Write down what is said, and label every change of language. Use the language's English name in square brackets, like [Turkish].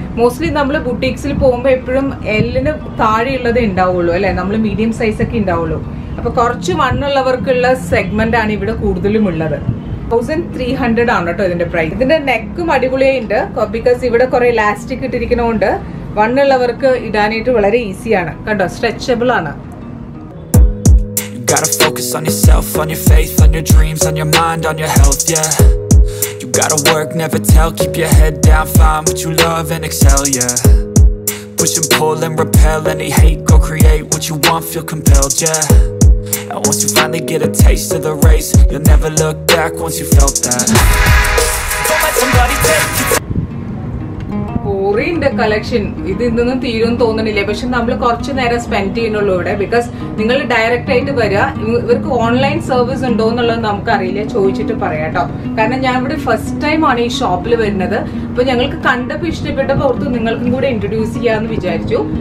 [Malayalam] Mostly നമ്മൾ ബുട്ടീക്സിൽ പോകുമ്പോൾ എപ്പോഴും എല്ലിന് താഴെയുള്ളതേ ഉണ്ടാവുള്ളൂ അല്ലെ, നമ്മൾ മീഡിയം സൈസൊക്കെ ഉണ്ടാവുള്ളൂ. അപ്പൊ കുറച്ച് മണ്ണുള്ളവർക്കുള്ള സെഗ്മെന്റ് ആണ് ഇവിടെ കൂടുതലും ഉള്ളത്. 1300 ആണ് കേട്ടോ ഇതിന്റെ പ്രൈസ്. ഇതിന്റെ നെക്കും അടിപൊളിയായിട്ട് ഉണ്ട്, ബിക്കോസ് ഇവിടെ കുറെ ഇലാസ്റ്റിക് ഇട്ടിരിക്കണോണ്ട് വണ്ണുള്ളവർക്ക് ഇടാനായിട്ട് വളരെ ഈസിയാണ് കേട്ടോ, സ്ട്രെച്ചബിൾ ആണ്. [English] Gotta focus on yourself, on your faith, on your dreams, on your mind, on your health, yeah. You gotta work, never tell, keep your head down, find what you love and excel, yeah. Push and pull and repel any hate, go create what you want, feel compelled, yeah. And once you finally get a taste of the race, you'll never look back once you felt that. Don't let somebody take you. [Malayalam] കൊറിയന്റെ collection ഇത് ഇന്നും തീരും തോന്നണില്ല, പക്ഷെ നമ്മൾ കുറച്ച് നേരം spend ചെയ്യുന്നുള്ളൂ ഇവിടെ. ബിക്കോസ് നിങ്ങൾ ഡയറക്റ്റ് ആയിട്ട് വരിക, ഇവർക്ക് ഓൺലൈൻ സർവീസ് ഉണ്ടോ എന്നുള്ളത് നമുക്കറിയില്ല, ചോദിച്ചിട്ട് പറയാം കേട്ടോ. കാരണം ഞാൻ ഇവിടെ ഫസ്റ്റ് ടൈമാണ് ഈ ഷോപ്പിൽ വരുന്നത്. അപ്പൊ ഞങ്ങൾക്ക് കണ്ടപ്പോൾ ഇഷ്ടപ്പെട്ട പുറത്ത് നിങ്ങൾക്കും കൂടെ ഇൻട്രൊഡ്യൂസ് ചെയ്യാന്ന് വിചാരിച്ചു.